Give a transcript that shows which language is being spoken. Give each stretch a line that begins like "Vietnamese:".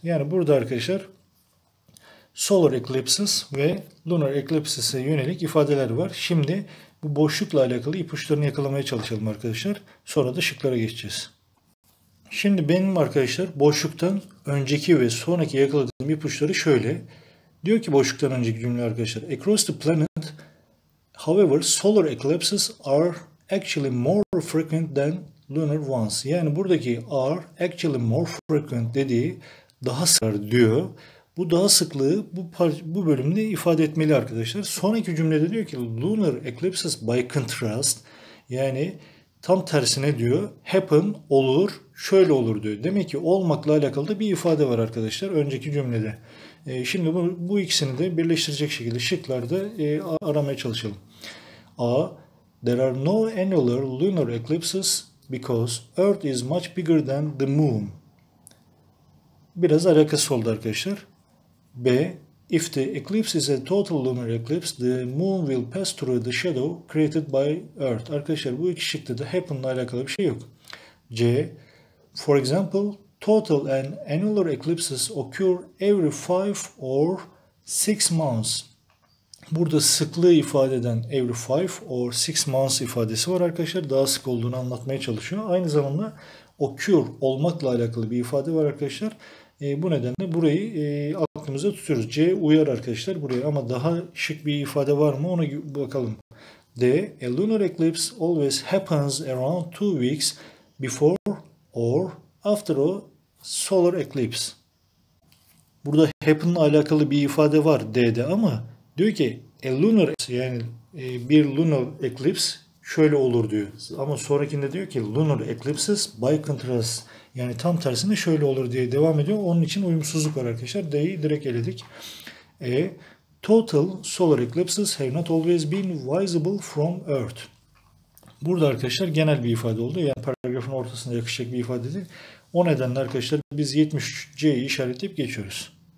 Turkish: Yani burada arkadaşlar solar eclipses ve lunar eclipses'e yönelik ifadeler var. Şimdi bu boşlukla alakalı ipuçlarını yakalamaya çalışalım arkadaşlar. Sonra da şıklara geçeceğiz. Şimdi benim arkadaşlar boşluktan önceki ve sonraki yakaladığım ipuçları şöyle. Diyor ki boşluktan önceki cümle arkadaşlar.
English: Across the planet, however, solar eclipses are actually more frequent than lunar ones.
Turkish: Yani buradaki
English: are actually more frequent
Turkish: dediği daha sık diyor. Bu daha sıklığı bu bölümde ifade etmeli arkadaşlar. Sonraki cümlede diyor ki
English: lunar eclipses by contrast,
Turkish: yani tam tersine diyor, happen olur, şöyle olur diyor. Demek ki olmakla alakalı da bir ifade var arkadaşlar önceki cümlede. Şimdi bu ikisini de birleştirecek şekilde şıklarda aramaya çalışalım. A.
English: There are no annular lunar eclipses because Earth is much bigger than the Moon.
Turkish: Biraz alakası oldu arkadaşlar.
English: B. If the eclipse is a total lunar eclipse, the moon will pass through the shadow created by Earth.
Turkish: Arkadaşlar bu iki şıkta da happen'la alakalı bir şey yok. C.
English: For example, total and annular eclipses occur every 5 or 6 months.
Turkish: Burada sıklığı ifade eden
English: every 5 or 6 months
Turkish: ifadesi var arkadaşlar. Daha sık olduğunu anlatmaya çalışıyor. Aynı zamanda occur olmakla alakalı bir ifade var arkadaşlar. Bu nedenle burayı aklımıza tutuyoruz. C uyar arkadaşlar buraya, ama daha şık bir ifade var mı ona bakalım. D.
English: A lunar eclipse always happens around 2 weeks before or after a solar eclipse.
Turkish: Burada happen'la alakalı bir ifade var D'de, ama diyor ki
English: a lunar,
Turkish: yani bir lunar eclipse şöyle olur diyor. Ama sonrakinde diyor ki
English: lunar eclipses by contrast,
Turkish: yani tam tersinde şöyle olur diye devam ediyor. Onun için uyumsuzluk var arkadaşlar. D'yi direkt eledik.
English: E, total solar eclipses have not always been visible from Earth.
Turkish: Burada arkadaşlar genel bir ifade oldu. Yani paragrafın ortasında yakışacak bir ifade değil. O nedenle arkadaşlar biz 73C'yi işaretleyip geçiyoruz.